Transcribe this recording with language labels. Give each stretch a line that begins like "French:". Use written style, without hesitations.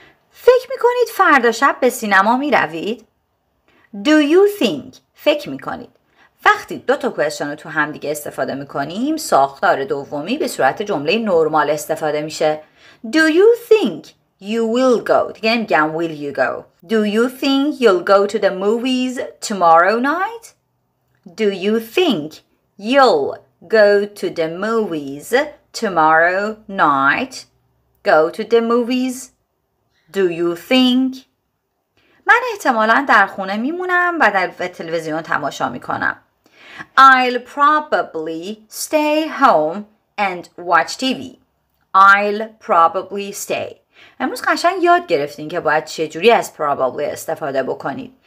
Persian: فکر میکنید فردا شب به سینما میروید؟
English: Do you think؟
Persian: فکر میکنید. وقتی دو تا کوئسشن رو تو هم دیگه استفاده میکنیم، ساختار دومی به صورت جمله نرمال استفاده میشه.
English: Do you think you will go؟
Persian: دیگه نمیگم
English: will you go. Do you think you'll go to the movies tomorrow night؟ Do you think you'll go to the movies tomorrow night? Go to the movies? Do you think?
Persian: من احتمالاً در خونه میمونم و در تلویزیون تماشا میکنم.
English: I'll probably stay home and watch TV. I'll probably stay.
Persian: امروز قشنگ یاد گرفتین که باید چجوری از probably استفاده بکنید.